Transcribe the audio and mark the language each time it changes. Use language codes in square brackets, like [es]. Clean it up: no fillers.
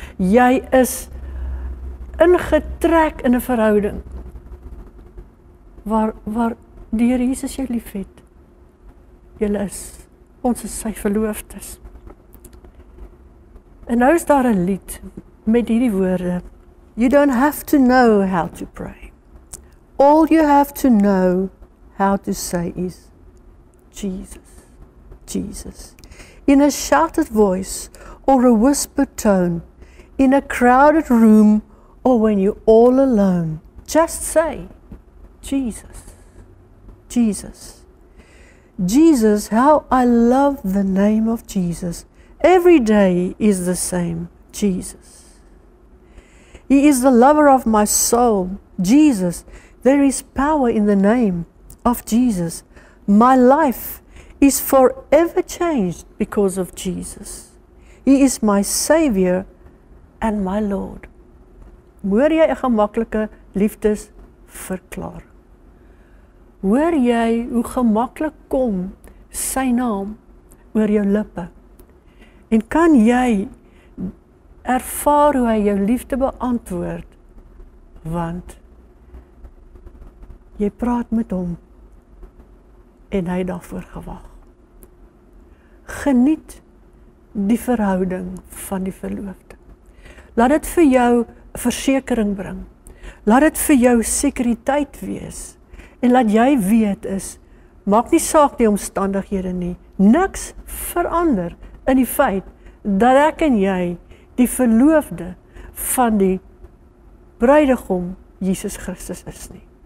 [af] Jy is ingetrek in 'n verhouding waar die Here Jesus jou liefhet. Jy is ons is sy verloofdes. En nou is daar 'n lied met hierdie woorde. [en] You don't have to know how to pray. All you have to know how to say is Jesus, Jesus. In a shouted voice or a whispered tone, in a crowded room or when you're all alone, just say Jesus, Jesus. Jesus, how I love the name of Jesus. Every day is the same, Jesus. He is the lover of my soul, Jesus. There is power in the name of Jesus. My life is forever changed because of Jesus. He is my Savior and my Lord. [af] Hoor jy 'n gemaklike liefdesverklaring? Hoor jy hoe gemaklik kom sy naam oor jou lippe? En kan jy ervaar hoe hy jou liefde beantwoord? Want jy praat met hom en hy daarvoor gewag. Geniet die verhouding van die verloofde. Laat dit vir jou versekering bring. Laat dit vir jou sekuriteit wees. En laat jy weet is, maak nie saak die omstandighede nie. Niks verander in die feit dat ek en jy die verloofde van die bruidegom Jesus Christus is nie.